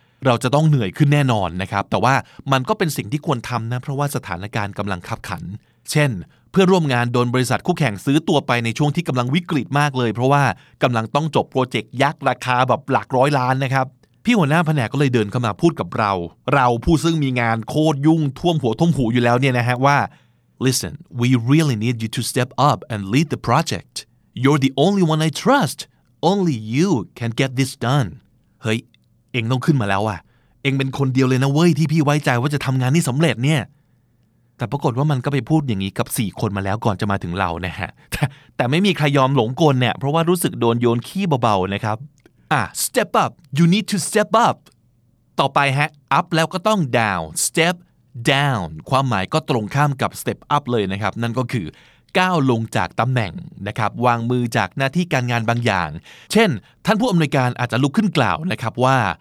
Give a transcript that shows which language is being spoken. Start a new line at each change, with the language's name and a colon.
Thai: เราจะต้องเหนื่อยขึ้นแน่นอนนะครับแต่ว่ามันก็เป็นสิ่งที่ควรทำนะเพราะว่าสถานการณ์กำลังคับขันเช่นเพื่อร่วมงานโดนบริษัทคู่แข่งซื้อตัวไปในช่วงที่กำลังวิกฤตมากเลยเพราะว่ากำลังต้องจบโปรเจกต์ยักษ์ราคาแบบหลักร้อยล้านนะครับพี่หัวหน้าแผนกก็เลยเดินเข้ามาพูดกับเราผู้ซึ่งมีงานโคตรยุ่งท่วมหัวท่วมหูอยู่แล้วเนี่ยนะฮะว่า
English: Listen, we really need you to step up and lead the project. You're the only one I trust. Only you can get this done.
Thai: เฮ้ยเอ็งต้องขึ้นมาแล้วอ่ะเอ็งเป็นคนเดียวเลยนะเว้ยที่พี่ไว้ใจว่าจะทำงานนี้สำเร็จเนี่ยแต่ปรากฏว่ามันก็ไปพูดอย่างนี้กับ4คนมาแล้วก่อนจะมาถึงเรานะฮะแต่ไม่มีใครยอมหลงกลเนี่ยเพราะว่ารู้สึกโดนโยนขี้เบาๆนะครับ
English: step up you need to step up
Thai: ต่อไปฮะ up แล้วก็ต้อง down step down ความหมายก็ตรงข้ามกับ step up เลยนะครับนั่นก็คือก้าวลงจากตำแหน่งนะครับวางมือจากหน้าที่การงานบางอย่างเช่นท่านผู้อำนวยการอาจจะลุกขึ้นกล่าวนะครับว่า